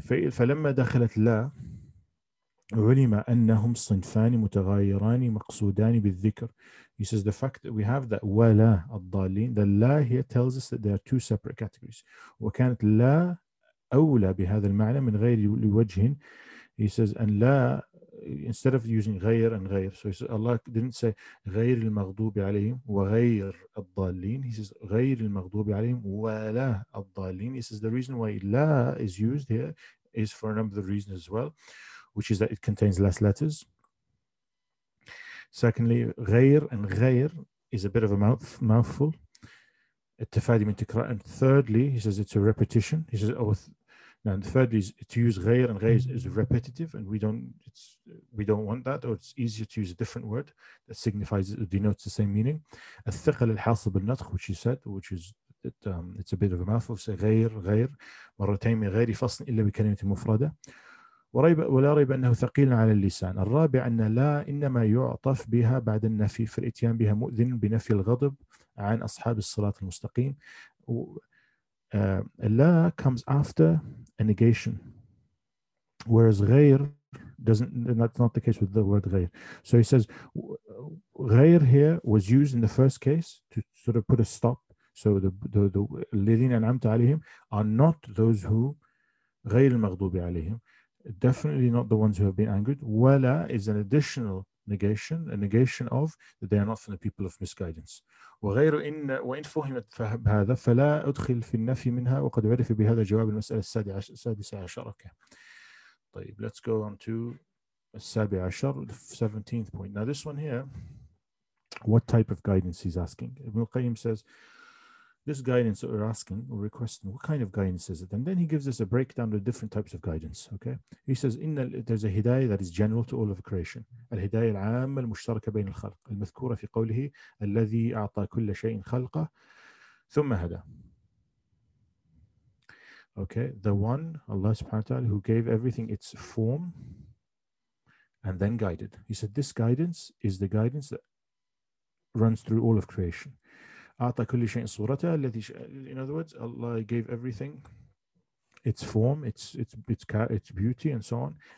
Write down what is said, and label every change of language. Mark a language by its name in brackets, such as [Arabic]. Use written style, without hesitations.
[Arabic] فلما دخلت لا علم أنهم صنفان متغايران مقصودان بالذكر. [English] He says the fact that we have that [Arabic] ولا الضالين, [English] the لا here tells us that they are two separate categories. [Arabic] وكانت لا أولى بهذا المعنى من غير لوجه. [English] He says أن لا, instead of using غير and غير, so he says Allah didn't say [Arabic] غير المغضوب عليهم وغير الضالين. [English] He says [Arabic] غير المغضوب عليهم ولا الضالين. [English] He says the reason why لا is used here is for a number of reasons as well, which is that it contains less letters. Secondly, غير and غير is a bit of a mouthful. [Arabic] التفادي من تكرار. [English] And thirdly, he says it's a repetition. He says now the third is to use غير and غير is repetitive, and we don't want that, or it's easier to use a different word that signifies or denotes the same meaning. [Arabic] الثقل الحاصل بالنطق, [English] which you said, which is that it's a bit of a mouthful. [Arabic] Say غير غير مرتين من غير فصل إلا بكلمة مفردة. وريب ولا ريب أنه ثقيل على اللسان. الرابع أن لا إنما يعطف بها بعد النفي في الإتيان بها مؤذن بنفي الغضب عن أصحاب الصلاة المستقيم. [English] لا comes after a negation, whereas غير doesn't. That's not the case with the word غير. So he says غير here was used in the first case to sort of put a stop. So the الذين أنعمت عليهم are not those who [Arabic] غير المغضوب عليهم. [English] Definitely not the ones who have been angered. ولا is an additional negation, a negation of that they are not from the people of misguidance. [Arabic] وغير إن وإن فهمت هذا فلا أدخل في النفي منها وقد عرف بهذا جواب المسألة السادسة عشر. [English] طيب, let's go on to السابع عشر, the 17th point. Now this one here, what type of guidance he's asking? Ibn al-Qayyim says, this guidance that we're asking, we're requesting, what kind of guidance is it? And then he gives us a breakdown of different types of guidance, okay? He says, there's a hidayah that is general to all of creation. [Arabic] الهداية العامة المشتركة بين الخلق المذكورة في قوله الذي أعطى كل شيء خلقه ثم هدى. [English] Okay, the one, Allah subhanahu wa ta'ala, who gave everything its form and then guided. He said, this guidance is the guidance that runs through all of creation. [Arabic] أعطى كل شيء صورته الذي, [English] in other words, Allah gave everything its form, its beauty and so on.